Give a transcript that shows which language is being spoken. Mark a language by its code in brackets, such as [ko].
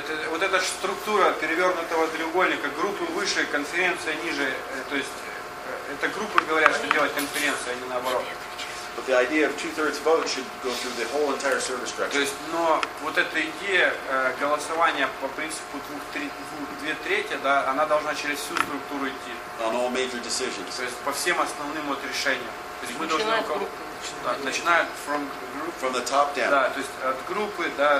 [ru] Вот эта структура перевернутого треугольника, группы выше, конференция ниже, то есть это группы говорят, что делать конференцию, а не наоборот. [en] But the idea of two-thirds vote should go through the whole entire service structure. [ru] То есть, но вот эта идея голосования по принципу две трети, да, она должна через всю структуру идти. [en] On all major decisions. [ru] То есть по всем основным вот решениям. То есть мы начинает должны начинают [en] from group. From the top down. [ru] Да, то есть от группы, да.